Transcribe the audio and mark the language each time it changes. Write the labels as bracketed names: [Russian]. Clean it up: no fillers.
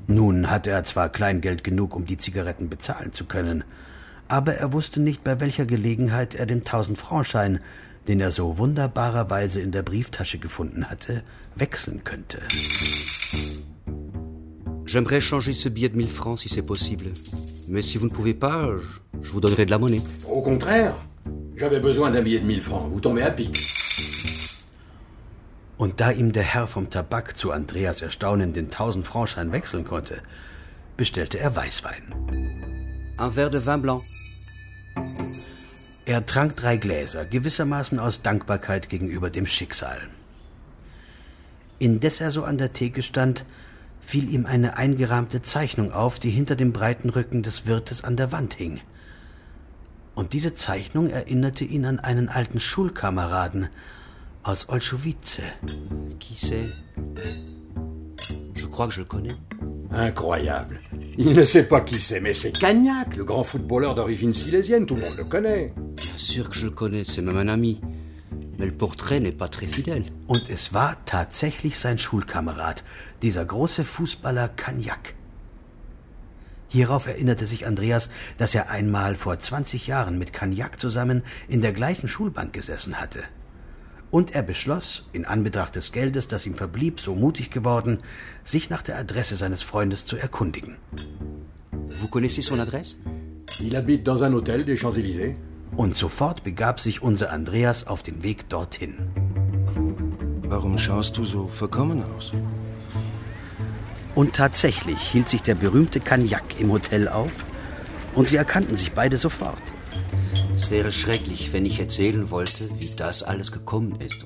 [German] Nun hatte er zwar Kleingeld genug, um die Zigaretten bezahlen zu können, aber er wusste nicht, bei welcher Gelegenheit er den 1000-Franc-Schein, den er so wunderbarerweise in der Brieftasche gefunden hatte, wechseln könnte. [French] J'aimerais changer ce billet de 1000 francs, si c'est possible. Mais si vous ne pouvez pas, je vous donnerai de la monnaie. Au contraire, j'avais besoin d'un billet de 1000 francs. Vous tombez à pic. [German] Und da ihm der Herr vom Tabak zu Andreas Erstaunen den 1000-Franc-Schein wechseln konnte, bestellte er Weißwein. [French] Un verre de vin blanc. [German] Er trank drei Gläser, gewissermaßen aus Dankbarkeit gegenüber dem Schicksal. Indes er so an der Theke stand, fiel ihm eine eingerahmte Zeichnung auf, die hinter dem breiten Rücken des Wirtes an der Wand hing. Und diese Zeichnung erinnerte ihn an einen alten Schulkameraden aus Olschowice. [French] Qui c'est? Je crois que je le connais. Incroyable. Il ne sait pas qui c'est, mais c'est Cagnac, le grand footballeur d'origine silésienne. Tout le monde le connaît. Bien sûr que je le connais, c'est même un ami. Mais le portrait n'est pas très fidèle. [German] Und es war tatsächlich sein Schulkamerad, dieser große Fußballer Cagnac. Hierauf erinnerte sich Andreas, dass er einmal vor 20 Jahren mit Cagnac zusammen in der gleichen Schulbank gesessen hatte. Und er beschloss, in Anbetracht des Geldes, das ihm verblieb, so mutig geworden, sich nach der Adresse seines Freundes zu erkundigen. [French] Vous connaissez son adresse? Il habite dans un hôtel des Champs-Élysées. [German] Und sofort begab sich unser Andreas auf den Weg dorthin. Warum schaust du so verkommen aus? Und tatsächlich hielt sich der berühmte Cagnac im Hotel auf und sie erkannten sich beide sofort. Es wäre schrecklich, wenn ich erzählen wollte, wie das alles gekommen ist.